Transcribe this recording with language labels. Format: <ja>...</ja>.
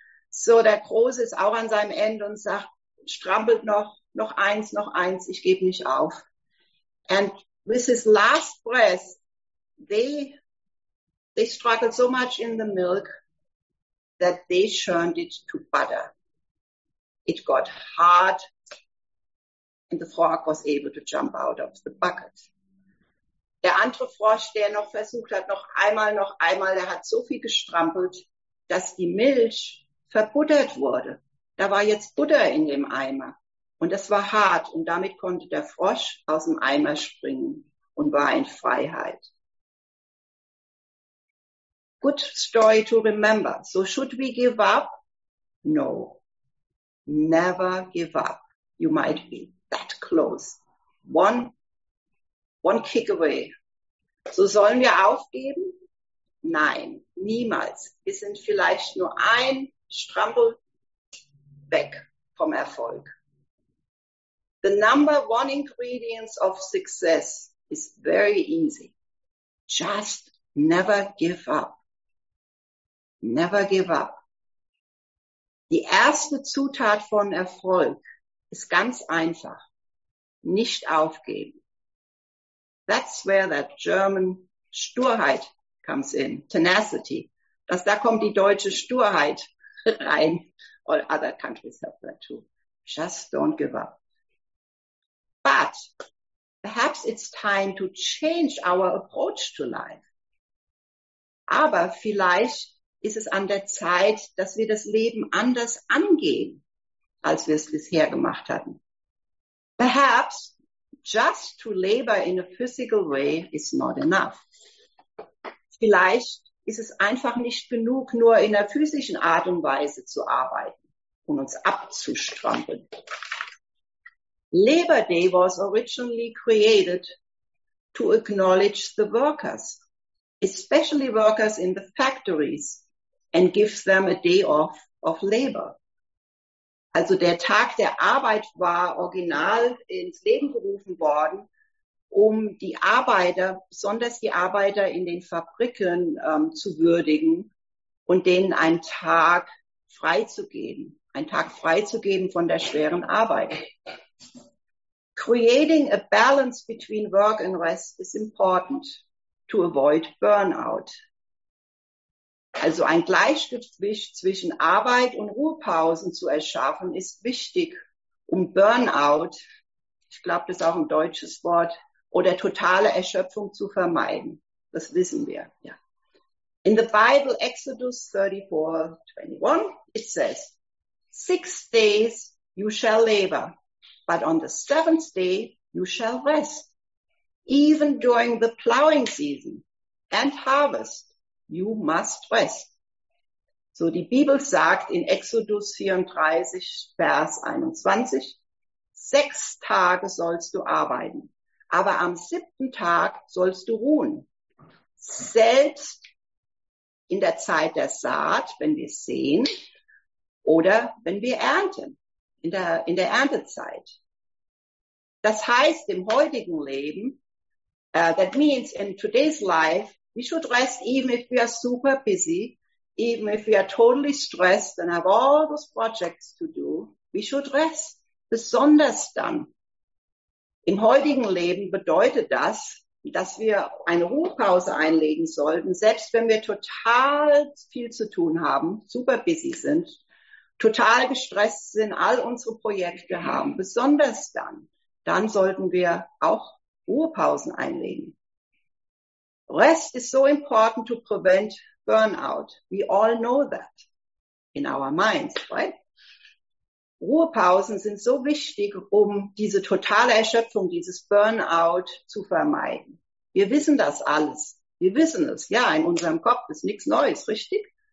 <de>So der Große ist auch an seinem Ende und sagt, strampelt noch. Noch eins, ich gebe nicht auf.</de> <en>And with his last breath, they struggled so much in the milk that they churned it to butter. It got hard and the frog was able to jump out of the bucket.</en> <de>Der andere Frosch, der noch versucht hat, noch einmal, der hat so viel gestrampelt, dass die Milch verbuttert wurde. Da war jetzt Butter in dem Eimer und das war hart und damit konnte der Frosch aus dem Eimer springen und war in Freiheit.</de> <en>Good story to remember. So should we give up? No. Never give up. You might be that close. One kick away.</en> <de>So sollen wir aufgeben? Nein, niemals. Wir sind vielleicht nur ein Strampel weg vom Erfolg.</de> <en>The number one ingredients of success is very easy. Just never give up. Never give up.</en> <de>Die erste Zutat von Erfolg ist ganz einfach. Nicht aufgeben.</de> <en>That's where that German Sturheit comes in. Tenacity.</en> <de>Das, da kommt die deutsche Sturheit rein.</de> <en>All other countries have that too. Just don't give up. But perhaps it's time to change our approach to life.</en> <de>Aber vielleicht ist es an der Zeit, dass wir das Leben anders angehen, als wir es bisher gemacht hatten.</de> <en>Perhaps just to labor in a physical way is not enough.</en> <de>Vielleicht ist es einfach nicht genug, nur in der physischen Art und Weise zu arbeiten und uns abzustrampeln.</de> <en>Labor Day was originally created to acknowledge the workers, especially workers in the factories, and give them a day off of labor.</en> <de>Also der Tag der Arbeit war original ins Leben gerufen worden, um die Arbeiter, besonders die Arbeiter in den Fabriken, zu würdigen und denen einen Tag freizugeben von der schweren Arbeit.</de> <en>Creating a balance between work and rest is important to avoid burnout.</en> <de>Also ein Gleichgewicht zwischen Arbeit und Ruhepausen zu erschaffen, ist wichtig, um Burnout, ich glaube, das ist auch ein deutsches Wort, oder totale Erschöpfung zu vermeiden. Das wissen wir. Ja.</de> <en>In the Bible, Exodus 34:21, it says, 6 days you shall labor, but on the seventh day you shall rest. Even during the plowing season and harvest, you must rest.</en> <de>So die Bibel sagt in Exodus 34, Vers 21, 6 Tage sollst du arbeiten, aber am 7. Tag sollst du ruhen. Selbst in der Zeit der Saat, wenn wir sehen, oder wenn wir ernten, in der Erntezeit. Das heißt im heutigen Leben,</de> <en>that means in today's life, we should rest even if we are super busy, even if we are totally stressed and have all those projects to do. We should rest,</en> <de>besonders dann. Im heutigen Leben bedeutet das, dass wir eine Ruhepause einlegen sollten, selbst wenn wir total viel zu tun haben, super busy sind, total gestresst sind, all unsere Projekte haben, besonders dann. Dann sollten wir auch Ruhepausen einlegen.</de> <en>Rest is so important to prevent burnout. We all know that in our minds, right?</en> <de>Ruhepausen sind so wichtig, um diese totale Erschöpfung, dieses Burnout zu vermeiden. Wir wissen das alles. Wir wissen es. Ja, in unserem Kopf ist nichts Neues, richtig?</de>